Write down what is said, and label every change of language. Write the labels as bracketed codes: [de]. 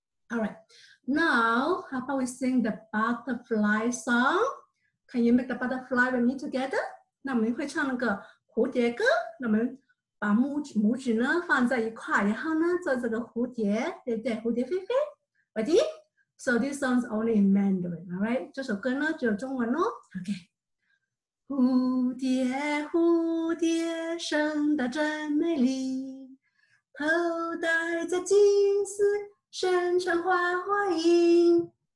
[en] All right, now how about we sing the butterfly song? Can you make the butterfly with me together? [zh] 那我们会唱那个蝴蝶歌。那我们把拇指呢放在一块，然后呢做这个蝴蝶，对不对？蝴蝶飞飞。 [en] Ready? So this song's only in Mandarin, all right? [zh] 这首歌呢只有中文哦。Okay. 蝴蝶，蝴蝶，生得真美丽，头戴着金丝，身穿花花衣。